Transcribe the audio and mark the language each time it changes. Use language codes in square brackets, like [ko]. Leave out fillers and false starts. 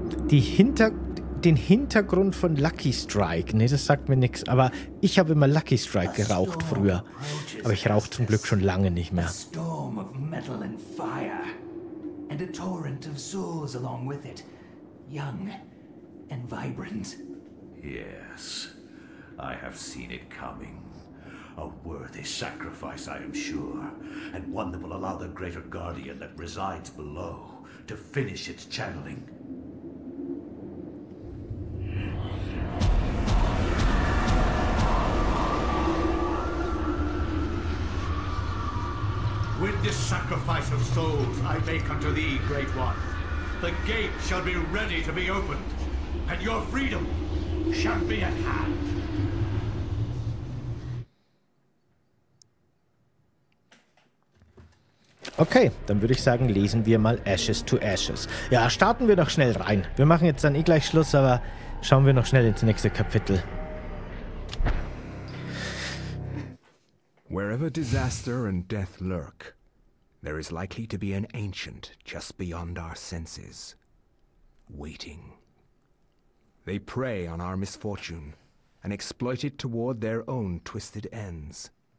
[de] Die Hinter... den Hintergrund von Lucky Strike. Nee, das sagt mir nichts. Aber ich habe immer Lucky Strike geraucht früher. Aber ich rauche zum Glück schon lange nicht mehr. [en] Storm of metal and fire. And a torrent of souls along with it. Young and vibrant. Yes, I have seen it coming. A worthy sacrifice, I am sure. And one that will allow the greater guardian that resides below to finish its channeling. With this sacrifice of souls I make unto thee, Great One, the gate shall be ready to be opened, and your freedom shall be at hand. [de] Okay, dann würde ich sagen, lesen wir mal Ashes to Ashes. Ja, starten wir noch schnell rein. Wir machen jetzt dann eh gleich Schluss, aber schauen wir noch schnell ins nächste Kapitel. [en] Wherever disaster and death lurk, there is likely to be an ancient just beyond our senses, waiting. They prey on our misfortune and exploit it toward their own twisted ends.